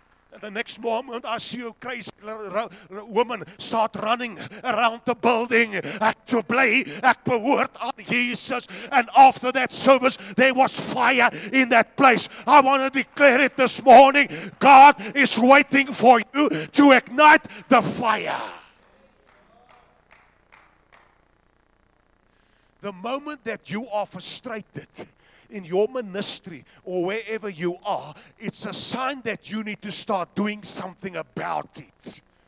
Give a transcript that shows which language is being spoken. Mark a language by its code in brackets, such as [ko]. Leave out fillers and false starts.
[en] And the next moment, I see a crazy woman start running around the building. [af] Ek so bly, ek behoort aan Jesus. [en] And after that service, there was fire in that place. I want to declare it this morning. God is waiting for you to ignite the fire. The moment that you are frustrated in your ministry or wherever you are, it's a sign that you need to start doing something about it.